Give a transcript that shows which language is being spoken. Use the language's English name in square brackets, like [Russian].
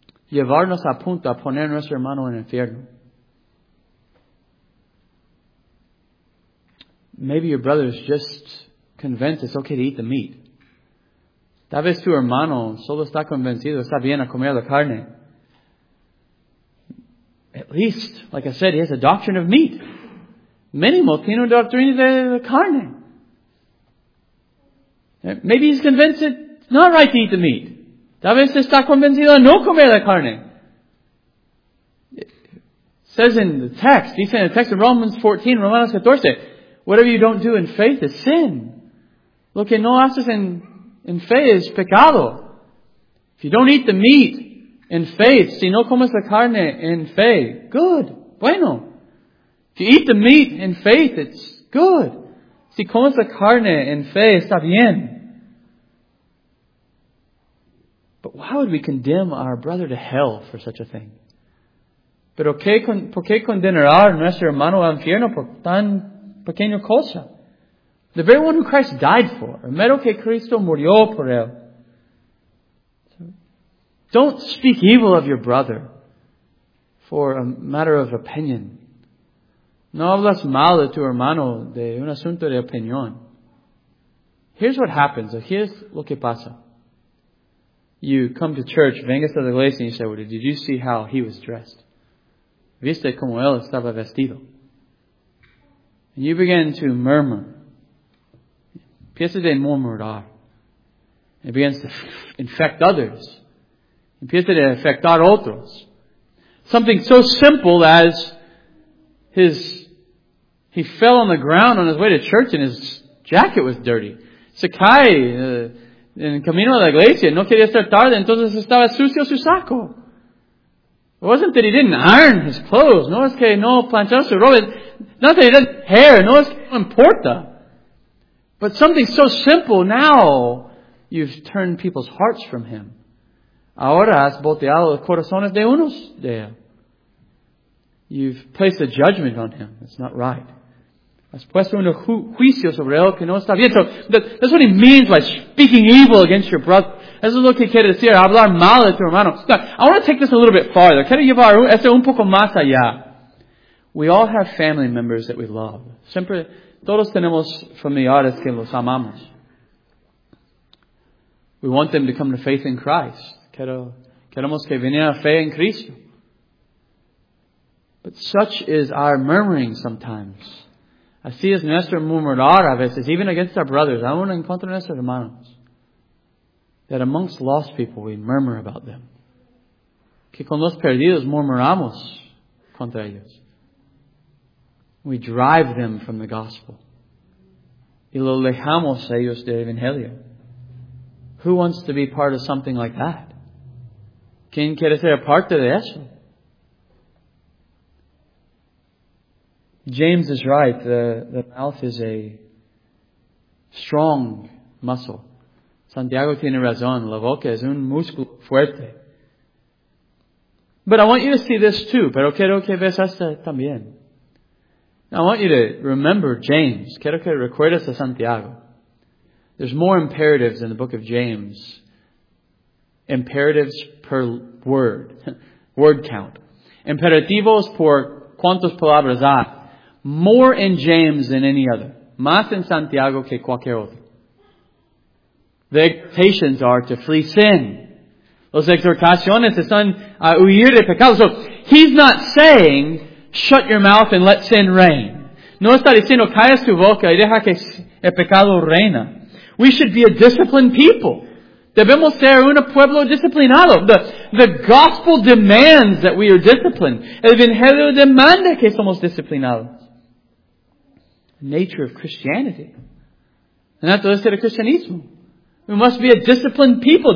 [Spanish] Llevarnos a punto a poner nuestro hermano en infierno. [English] Maybe your brother is just convinced it's okay to eat the meat. [Spanish] Tal vez tu hermano solo está convencido, está bien a comer la carne. [English] At least, like I said, he has a doctrine of meat. [Spanish] Mínimo tiene una doctrina de carne. [English] Maybe he's convinced it's not right to eat the meat. [Spanish] Tal vez está convencido a no comer la carne. [English] It says in the text, he said in the text of Romans 14, Romanos 14, whatever you don't do in faith is sin. [Spanish] Lo que no haces en fe es pecado. [English] If you don't eat the meat in faith, [Spanish] si no comes la carne en fe, [English] good. [Spanish] Bueno. [English] If you eat the meat in faith, it's good. [Spanish] Si comes la carne en fe, está bien. [English] But why would we condemn our brother to hell for such a thing? [Spanish] Pero por qué condenar nuestro hermano al infierno por tan pequeño cosa. [English] The very one who Christ died for. [Spanish] Primero que Cristo murió por él. [English] Don't speak evil of your brother for a matter of opinion. [Spanish] No hablas mal de tu hermano de un asunto de opinión. [English] Here's what happens. Here's [Spanish] lo que pasa. [English] You come to church, [Spanish] vengas a la iglesia, [English] and you say, well, did you see how he was dressed? [Spanish] Viste como él estaba vestido. [English] And you begin to murmur. [Spanish] Empiezas a murmurar. [English] It begins to infect others. [Spanish] Empiezas a infectar otros. [English] Something so simple as he fell on the ground on his way to church and his jacket was dirty. [Spanish] Sakai, en camino a la iglesia, no quería estar tarde, entonces estaba sucio su saco. [English] It wasn't that he didn't iron his clothes. [Spanish] No es que no planchó su ropa. [English] Not that he doesn't care. [Spanish] No es que no importa. [English] But something so simple, now you've turned people's hearts from him. [Spanish] Ahora has volteado los corazones de unos de él. [English] You've placed a judgment on him. It's not right. [Spanish] Has puesto un juicio sobre él que no está bien. [English] So that's what he means by speaking evil against your brother. [Spanish] Eso es lo que quiere decir, hablar mal de tu hermano. [English] Now, I want to take this a little bit farther. [Spanish] Quiero llevar esto un poco más allá. [English] We all have family members that we love. [Spanish] Siempre, todos tenemos familiares que los amamos. [English] We want them to come to faith in Christ. [Spanish] Queremos que vengan a fe en Cristo. [English] But such is our murmuring sometimes [Spanish] Así es nuestro murmurar a veces, [English] even against our brothers, [Spanish] aún en contra de nuestros hermanos. [English] That amongst lost people we murmur about them. [Spanish] Que con los perdidos murmuramos contra ellos. [English] We drive them from the gospel. [Spanish] Y lo alejamos a ellos del evangelio. [English] Who wants to be part of something like that? [Spanish] ¿Quién quiere ser parte de eso? [English] James is right. The mouth is a strong muscle. [Spanish] Santiago tiene razón. La boca es un músculo fuerte. [English] But I want you to see this too. [Spanish] Pero quiero que veas esto también. [English] I want you to remember James. [Spanish] Quiero que recuerdes a Santiago. [English] There's more imperatives in the book of James. Imperatives per word. Word count. [Spanish] Imperativos por cuántas palabras hay. [English] More in James than any other. [Spanish] Más en Santiago que cualquier otro. [English] The exhortations are to flee sin. [Spanish] Los exhortaciones están a huir de pecado. [English] So, he's not saying, shut your mouth and let sin reign. [Spanish] No está diciendo, calla tu boca y deja que el pecado reina. [English] We should be a disciplined people. [Spanish] Debemos ser un pueblo disciplinado. [English] The gospel demands that we are disciplined. [Spanish] El evangelio demanda que somos disciplinados. [English] The nature of Christianity. [Spanish] La naturaleza del cristianismo. [English] We must be a disciplined people.